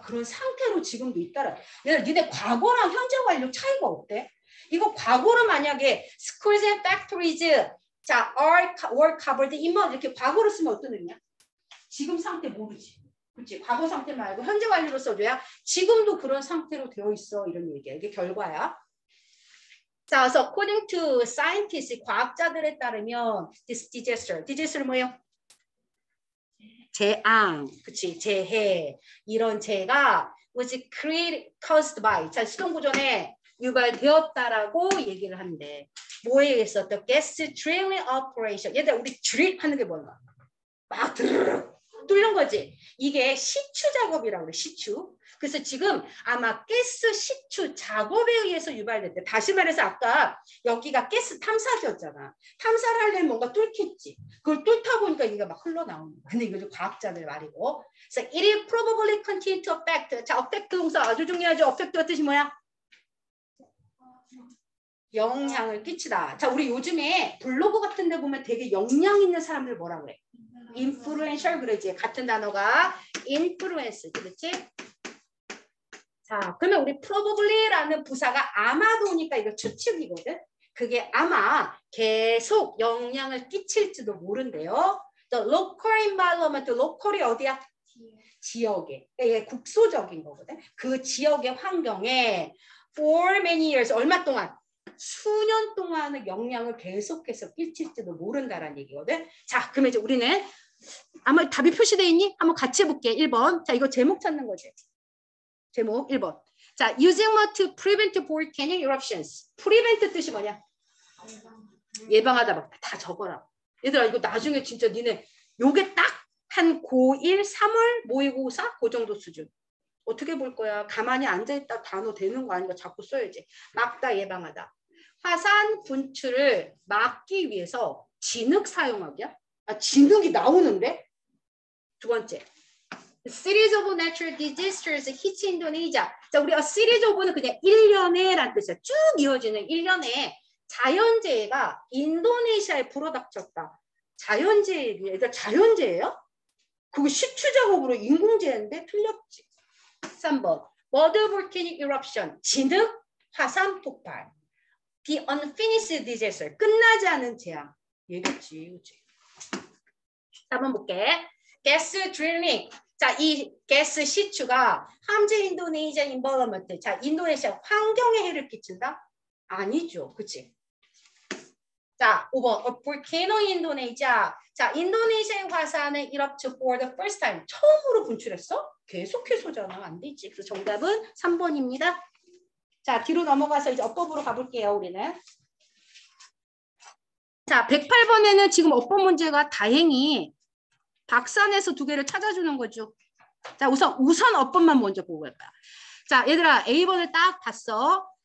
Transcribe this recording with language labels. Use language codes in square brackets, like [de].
[ko] 그런 상태로 지금도 있다라. 얘들 니네 과거랑 현재 완료 차이가 어때? 이거 과거로 만약에 [en] schools and factories [ko] 자, [en] were covered in mud [ko] 이렇게 과거로 쓰면 어떤 의미야? 지금 상태 모르지. 그렇지? 과거 상태 말고 현재 완료로 써줘야 지금도 그런 상태로 되어 있어. 이런 얘기야. 이게 결과야. 자, 그래서 [en] according to scientists [ko] 과학자들에 따르면 [en] this disaster. [ko] disaster 뭐예요? 재앙, 그치, 재해. 이런 재해가 [en] was created, caused by. [ko] 자, 수동구조에 유발되었다라고 얘기를 한대. 뭐에 의해서? [en] The gas drilling operation. [ko] 얘들아, 우리 drill 하는 게 뭐야? 막 드르륵 뚫는 거지. 이게 시추 작업이라고 그래, 시추. 그래서 지금 아마 가스 시추 작업에 의해서 유발됐대. 다시 말해서 아까 여기가 가스 탐사기였잖아. 탐사를 하려면 뭔가 뚫겠지. 그걸 뚫다 보니까 이게 막 흘러나오는 거야. 근데 이거 좀 과학자들 말이고. [en] So it is probably continue to affect. [ko] 자, affect 동사 아주 중요하죠. affect 뜻이 뭐야? 영향을 끼치다. 자, 우리 요즘에 블로그 같은 데 보면 되게 영향 있는 사람들 뭐라 그래? influential 그러지. 같은 단어가 influence 그렇지? 자, 그러면 우리 probably라는 부사가 아마도니까 이거 추측이거든? 그게 아마 계속 영향을 끼칠지도 모른대요. [en] The local environment, local이 어디야? [ko] 지역에. 예, 국소적인 거거든? 그 지역의 환경에 [en] for many years, [ko] 얼마 동안? 수년 동안의 영향을 계속해서 끼칠지도 모른다라는 얘기거든? 자, 그러면 이제 우리는 아마 답이 표시되어 있니? 한번 같이 해볼게. 1번. 자, 이거 제목 찾는 거지. 제목 1번. [en] 자, using what to prevent volcanic eruptions. [ko] prevent 뜻이 뭐냐? 예방하다. 막 다 적어라. 얘들아 이거 나중에 진짜 니네 요게 딱 한 고1 3월 모의고사 그 정도 수준. 어떻게 볼 거야? 가만히 앉아 있다 단어 되는 거 아니까 자꾸 써야지. 막다, 예방하다. 화산 분출을 막기 위해서 진흙 사용하기야? 아, 진흙이 나오는데? 두 번째. [en] A series of natural disasters hit Indonesia. [ko] 자, 우리 a series of는 그냥 1년에 라는 뜻이야. 쭉 이어지는 1년에 자연재해가 인도네시아에 불어닥쳤다. 자연재해, 자연재해요? 그거 시추작업으로 인공재해인데 틀렸지. 3번. [en] Water volcanic eruption. [ko] 진흙 화산 폭발. [en] The unfinished disaster. [ko] 끝나지 않은 재앙. 얘겠지, 그치? 한번 볼게. [en] Gas drilling. [ko] 자, 이 가스 시추가 함재 인도네시아 인버러먼트. 자, 인도네시아 환경에 해를 끼친다? 아니죠. 그치? 자, 5번. [en] A volcano in Indonesia. [ko] 자, 인도네시아의 화산에 [en] erupted for the first time. [ko] 처음으로 분출했어? 계속해서잖아. 안 되지. 그래서 정답은 3번입니다. 자, 뒤로 넘어가서 이제 어법으로 가볼게요, 우리는. 자, 108번에는 지금 어법 문제가 다행히 박산에서 두 개를 찾아주는 거죠. 자, 우선 어법만 먼저 보고 갈까. 자, 얘들아, A번을 딱 봤어.